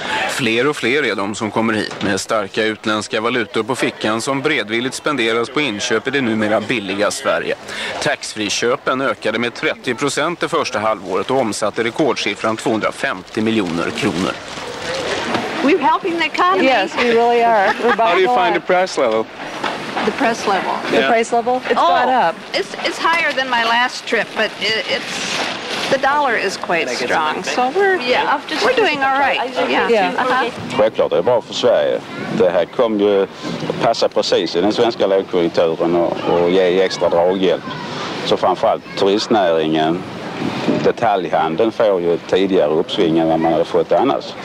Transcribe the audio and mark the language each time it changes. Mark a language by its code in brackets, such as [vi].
[sv] Fler och fler är de som kommer hit med starka utländska valutor på fickan som bredvilligt spenderas på inköp i det numera billiga Sverige. Taxfriköpen ökade med 30% det första halvåret och omsatte rekordsiffran 250 miljoner kronor. [en] We're helping the economy. Yes, we really are. We're buying. How do you find the price level? The price level. Yeah. The price level? It's gone up. It's higher than my last trip, but it's the dollar is quite strong. So we're doing all right. [sv] Självklart är det bra för Sverige. Det här kom ju att passa precis i den svenska lågkonjunkturen och ge extra draghjälp. Så framförallt turistnäringen detaljhandeln får ju tidigare uppsving än vad man hade fått annars.